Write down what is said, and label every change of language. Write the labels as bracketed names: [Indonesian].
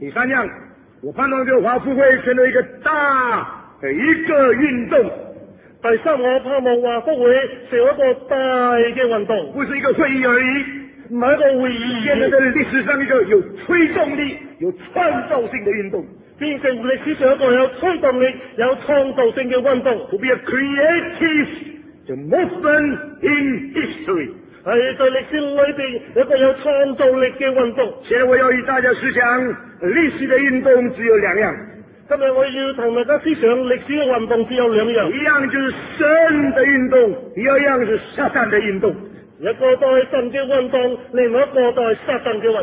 [Chinese] 第三样，我盼望这个华富会成为一个大的一个运动。第三，我盼望华富会是一个大的运动，不是一个会议而已，不是一个会议。现在在历史上一个有推动力、有创造性的运动，变成历史上一个有推动力、有创造性的运动。 [English] To be a creative movement in history. [Chinese] 是在历史里面一个有创造力的运动。现在我要与大家思想历史的运动只有两样。今天我要同大家思想历史的运动只有两样。一样就是神的运动，第二样是撒旦的运动。一个在神的运动，另外一个在撒旦的运动。